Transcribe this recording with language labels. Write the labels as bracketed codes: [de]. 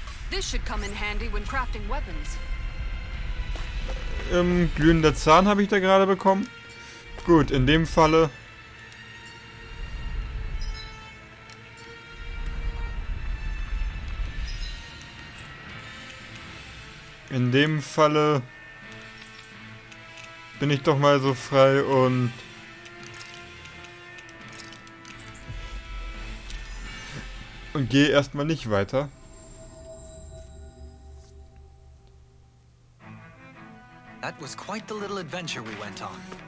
[en] This should come in handy when crafting weapons. [de] Glühender Zahn habe ich da gerade bekommen. Gut, in dem Falle. In dem Falle bin ich doch mal so frei und gehe erstmal nicht weiter. [en] That was quite the little adventure we went on.